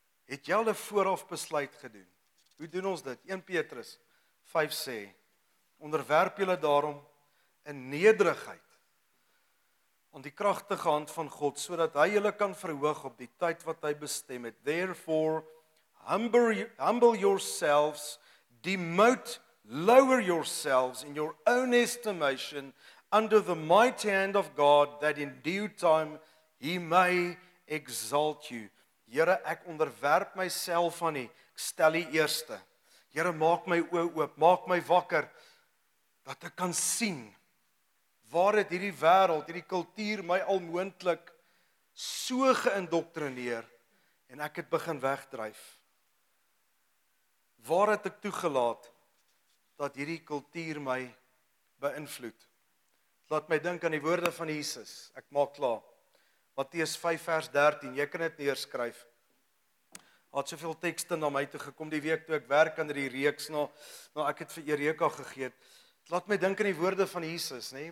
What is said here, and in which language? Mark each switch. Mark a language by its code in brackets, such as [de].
[af] Het jy al 'n vooraf besluit gedoen? Hoe doen ons dit? 1 Petrus 5 sê, onderwerp julle daarom in nederigheid aan die kragtige hand van God, sodat hy julle kan verhoog op die tyd wat hy bestem het. [en] Therefore, humble yourselves, demote, lower yourselves in your own estimation under the mighty hand of God, that in due time he may exalt you. [af] Here, ek onderwerp myself aan u. Ek stel u eerste. Here, maak my oë oop, maak my wakker, dat ek kan sien waar het hierdie wêreld, hierdie kultuur my almoontlik so geïndoktrineer en ek het begin wegdryf. Waar het ek toegelaat dat hierdie kultuur my beïnvloed? Laat my dink aan die woorde van Jesus. Ek maak klaar. Matteus 5 vers 13, jy kan dit neerskryf. Had soveel tekste na my toe gekom die week toe ek werk aan die reeks na ek het vir Eureka gegee. Laat my dink aan die woorde van Jesus, nê?